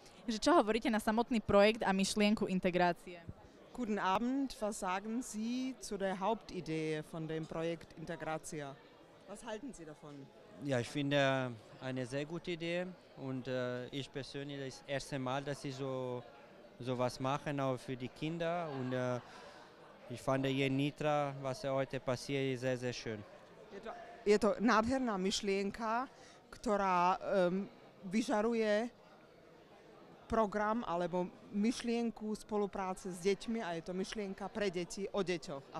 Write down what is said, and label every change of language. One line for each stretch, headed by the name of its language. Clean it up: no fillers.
Slovak: Že čo hovoríte na samotný projekt a myšlienku integrácie?
German: Guten Abend, was sagen Sie zu der Hauptidee von dem Projekt Integrazia? Was halten Sie davon? Ja, ich finde eine sehr gute Idee und ich persönlich, das erste Mal, dass ich so was mache, auch für die Kinder. Und ich fand hier in Nitra, was heute passiert, sehr, sehr schön.
Slovak: Je to nádherná myšlienka, ktorá vyžaruje program alebo myšlienku spolupráce s deťmi a je to myšlienka pre deti o deťoch.